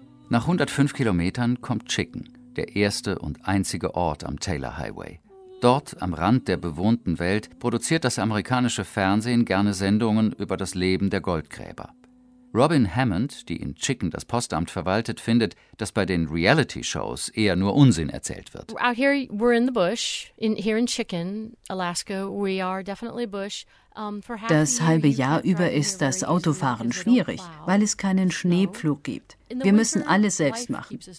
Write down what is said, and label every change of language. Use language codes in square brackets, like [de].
[de] Nach 105 Kilometern kommt Chicken, der erste und einzige Ort am Taylor Highway. Dort, am Rand der bewohnten Welt, produziert das amerikanische Fernsehen gerne Sendungen über das Leben der Goldgräber. Robin Hammond, die in Chicken das Postamt verwaltet, findet, dass bei den Reality-Shows eher nur Unsinn erzählt wird. [en] Out here, we're in the bush, here in Chicken, Alaska, we are definitely bush. [de] Das halbe Jahr über ist das Autofahren schwierig, weil es keinen Schneepflug gibt. Wir müssen alles selbst machen.